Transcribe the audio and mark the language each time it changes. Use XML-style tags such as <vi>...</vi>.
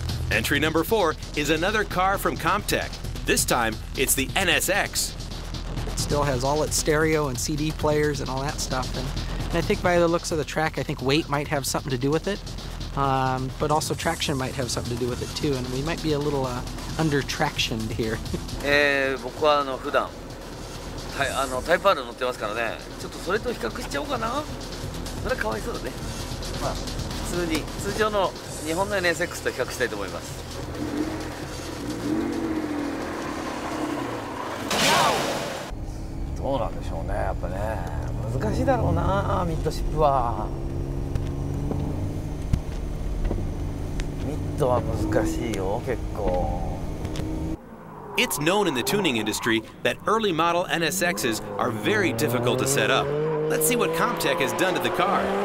<en>Entry number four is another car from Comptech. This time, it's the NSX. It still has all its stereo and CD players and all that stuff. And I think by the looks of the track, I think weight might have something to do with it. But also traction might have something to do with it too. And we might be a little under-tractioned here.</en> <ja>僕は普段タイプ R 乗ってますからね。ちょっとそれと比較しちゃおうかな。それかわいそうだね。まあ、通常の日本の NSX と比較したいと思います。どうなんでしょうね、やっぱね。難しいだろうな、ミッドシップは。ミッドは難しいよ、結構。</ja> <en>It's known in the tuning industry that early model NSXs are very difficult to set up. Let's see what Comptech has done to the car.</en>